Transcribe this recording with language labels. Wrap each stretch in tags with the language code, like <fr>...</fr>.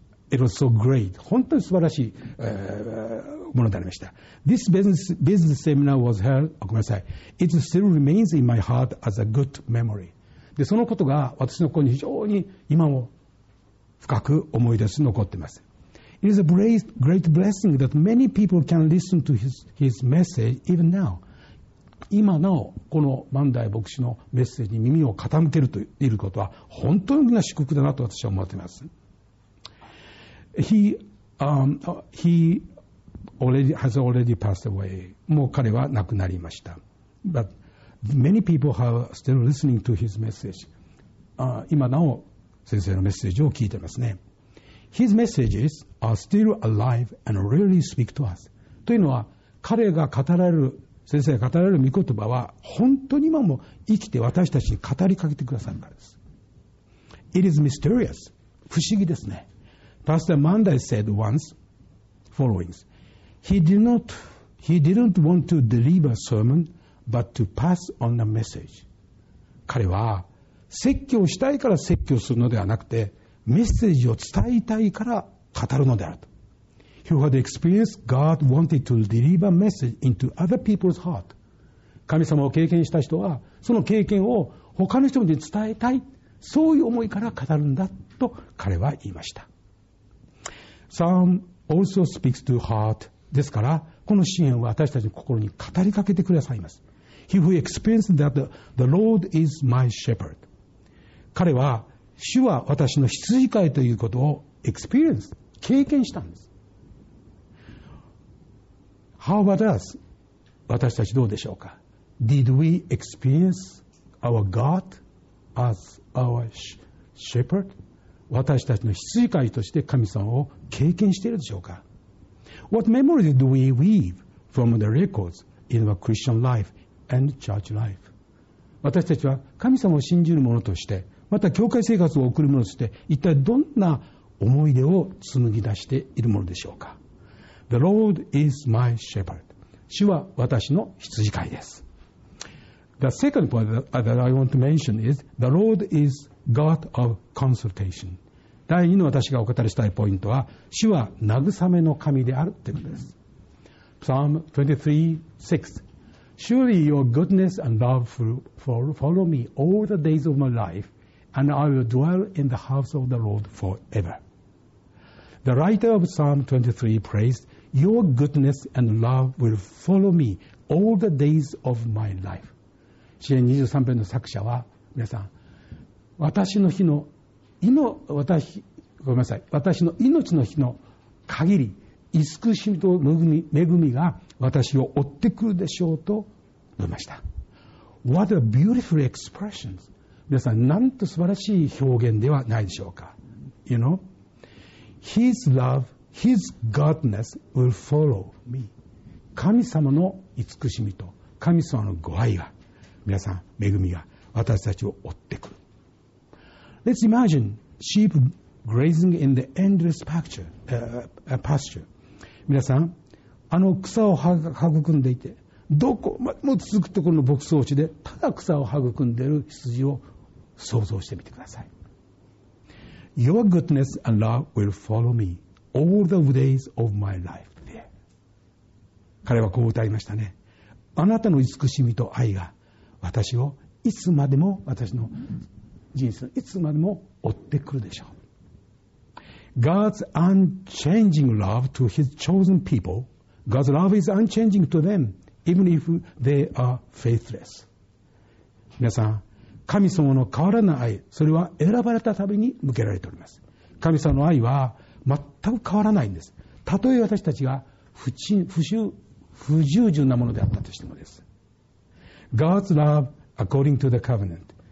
<en>It was so great.</en> <ja>本当に素晴らしい、ものでありました。</ja> <en>This business seminar was held.</en> <ja>ごめんなさい。</ja> <en>It still remains in my heart as a good memory.</en> <ja>で、そのことが私の心に非常に今も深く思い出し残っています。</ja> <en>It is a great blessing that many people can listen to his message even now.</en> <ja>今なお、このマンダイ牧師のメッセージに耳を傾けるということは、本当に大きな祝福だなと私は思っています。</ja> <en>He already has already passed away.</en> <ja>もう彼は亡くなりました。</ja> <en>But many people are still listening to his message.</en> <ja>今なお、先生のメッセージを聞いていますね。</ja> <en>His messages are still alive and really speak to us.</en> <ja>というのは、彼が語られる、先生が語られる御言葉は、本当に今も生きて私たちに語りかけてくださるからです。</ja> <en>It is mysterious.</en> <ja>不思議ですね。</ja> <en>Pastor Mandai said once, followings, He didn't want to deliver a sermon, but to pass on a message.</en> <ja>彼は、説教したいから説教するのではなくて、メッセージを伝えたいから語るのであると。 He had experienced God wanted to deliver message into other people's heart. 神様を経験した人は、その経験を他の人に伝えたい。そういう思いから語るんだと彼は言いました。</ja> <en>Psalm also speaks to heart.</en> <ja>ですから、この詩篇は私たちの心に語りかけてくださいます。</ja> <en>He who experienced that the Lord is my shepherd.</en> <ja>彼は、主は私の羊飼いということを experience 経験したんです。</ja> <en>How about us?</en> <ja>私たちどうでしょうか</ja> <en>?Did we experience our God as our shepherd?</en> <ja>私たちの羊飼いとして神様を経験しているでしょうか</ja> <en>?What memories do we weave from the records in our Christian life and church life?</en> <ja>私たちは神様を信じる者として、また教会生活を送るものとして一体どんな思い出を紡ぎ出しているものでしょうか</ja> <en>The Lord is my shepherd</en> <ja>主は私の羊飼いです。</ja> <en>The second point that I want to mention is the Lord is God of consolation.</en> <ja>第二の私がお語りしたいポイントは、主は慰めの神であるということです。</ja> <en>Psalm 23:6. Surely your goodness and love follow me all the days of my life, and I will dwell in the house of the Lord forever. The writer of Psalm 23 prays, Your goodness and love will follow me all the days of my life.</en> <ja>詩篇23篇の作者は、皆さん、私の日の私ごめんなさい、私の命の日の限り、慈しみと恵みが私を追ってくるでしょうと述べました。</ja> <en>What a beautiful expression!</en> <ja>皆さん、なんと素晴らしい表現ではないでしょうか。</ja> <en>You know, His love, His godness will follow me.</en> <ja>神様の慈しみと神様のご愛が、皆さん、恵みが私たちを追ってくる。</ja> <en>Let's imagine sheep grazing in the endless pasture.</en> <ja>皆さん、あの草を育んでいて、どこまでも続くところの牧草地で、ただ草を育んでいる羊を想像してみてください。</ja> <en>Your goodness and love will follow me all the days of my life.</en> <ja>彼はこう歌いましたね。あなたの慈しみと愛が、私をいつまでも私の人生いつまでも追ってくるでしょう。</ja> <en>God's unchanging love to His chosen people, God's love is unchanging to them, even if they are faithless.</en> <ja>皆さん、神様の変わらない愛、それは選ばれたために向けられております。神様の愛は全く変わらないんです。たとえ私たちが不従順なものであったとしてもです。</ja> <en>God's love according to the covenant.</en>